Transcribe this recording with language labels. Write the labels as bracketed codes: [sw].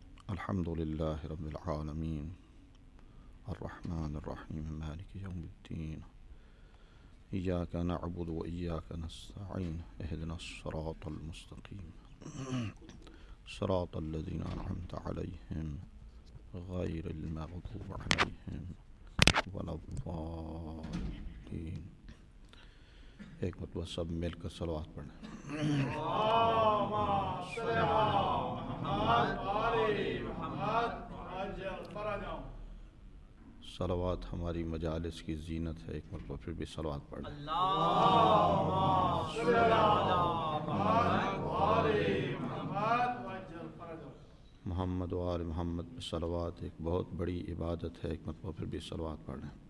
[ar] الحمد لله رب العالمين، الرحمن الرحيم، مالك يوم الدين، إياك نعبد وإياك نستعين، اهدنا الصراط المستقيم، صراط الذين أنعمت عليهم غير المغضوب عليهم ولا الضالين. [ur] ایک مرتبہ سب مل کر صلوات پڑھیں. [ar] اللهم صل على محمد وآل محمد وعجل فرجهم. [ur] صلوات ہماری مجالس کی زینت ہے، ایک مرتبہ پھر بھی صلوات پڑھیں. [ar] اللهم صل على محمد وآل محمد وعجل فرجهم. [ur] محمد وآل محمد پر صلوات ایک بہت بڑی عبادت ہے، ایک مرتبہ پھر بھی صلوات پڑھیں.